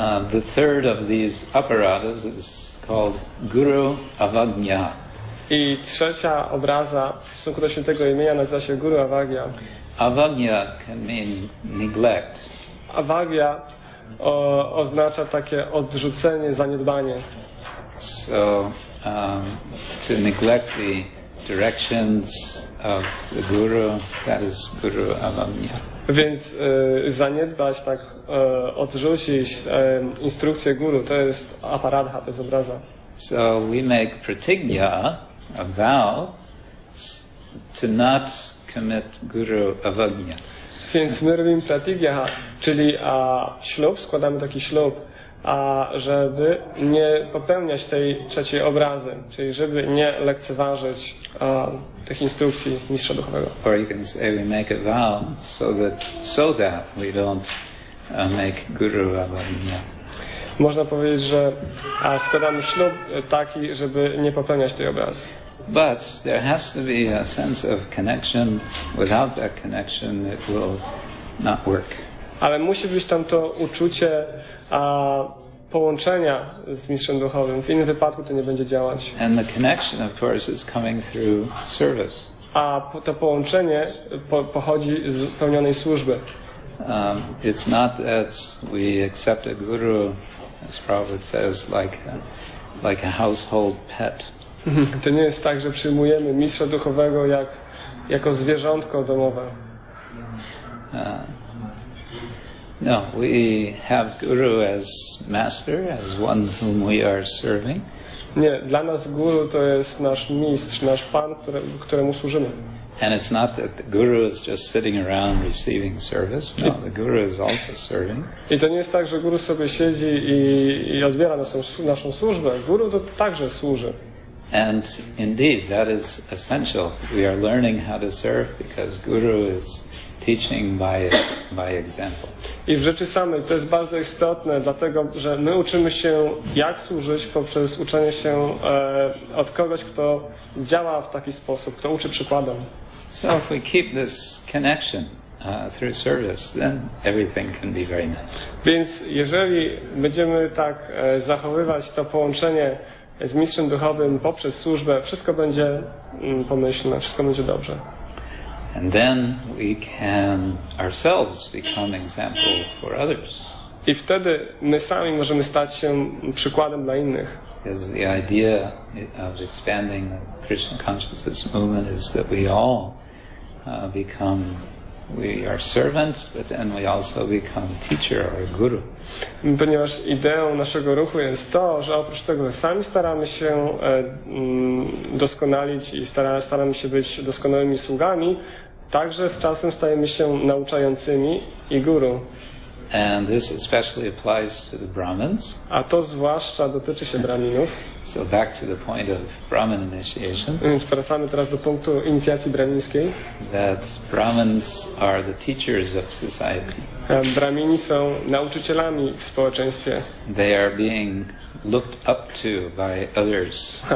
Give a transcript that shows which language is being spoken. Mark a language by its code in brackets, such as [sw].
[en] The third of these aparadas is called Guru Avagya. [pl] I trzecia obraza w stosunku do świętego imienia nazywa się Guru Avagya. [en] Avagya can mean neglect. [pl] Avagya oznacza takie odrzucenie, zaniedbanie. [en] So to neglect the directions of the guru, that is Guru Avagya. [pl] Więc zaniedbać, tak odrzucić instrukcję guru, to jest aparadha, to jest obraza. [en] So we make pratignya, a vow, to not commit guru avagya. [pl] Więc my robimy pratignya, czyli ślub, składamy taki ślub, żeby nie popełniać tej trzeciej obrazy, czyli żeby nie lekceważyć tych instrukcji mistrza duchowego. [en] Or you can say we make a vow so that we don't make guru avagya. [pl] Można powiedzieć, że składamy ślub taki, żeby nie popełniać tej obrazy. [en] But there has to be a sense of connection. Without that connection, it will not work. [pl] Ale musi być tam to uczucie połączenia z mistrzem duchowym. W innym wypadku to nie będzie działać. [en] And the connection, of course, is coming through service. [pl] A to połączenie pochodzi z pełnionej służby. [en] It's not that we accept a guru, as Prabhupada says, like a household pet. [pl] To nie jest tak, że przyjmujemy mistrza duchowego jak, jako zwierzątko domowe. [en] No, we have guru as master, as one whom we are serving. [pl] Nie, dla nas guru to jest nasz mistrz, nasz pan, któremu służymy. [en] And it's not that the guru is just sitting around receiving service. No, the guru is also serving. [pl] I to nie jest tak, że guru sobie siedzi i odbiera naszą służbę. Guru to także służy. [en] And indeed, that is essential. We are learning how to serve because guru is teaching by example. [pl] I w rzeczy samej to jest bardzo istotne, dlatego że my uczymy się, jak służyć poprzez uczenie się od kogoś, kto działa w taki sposób, kto uczy przykładem. [en] So if we keep this connection through service, then everything can be very nice. [pl] Więc jeżeli będziemy tak zachowywać to połączenie z mistrzem duchowym poprzez służbę, wszystko będzie pomyślne, wszystko będzie dobrze. [en] And then we can ourselves become example for others. [pl] I wtedy my sami możemy stać się przykładem dla innych. [en] Because the idea of expanding the Christian consciousness movement is that we all become, we are servants, but then we also become teacher or guru. [pl] Ponieważ ideą naszego ruchu jest to, że oprócz tego sami staramy się doskonalić i staramy się być doskonałymi sługami, także z czasem stajemy się nauczającymi i guru. [en] And this especially applies to the Brahmins. [pl] A to zwłaszcza dotyczy się Brahminów. [en] So back to the point of Brahmin initiation. [pl] Więc wracamy teraz do punktu inicjacji brahmińskiej. [en] That Brahmins are the teachers of society. [pl] Brahmini są nauczycielami w społeczeństwie. [en] They are being looked up to by others.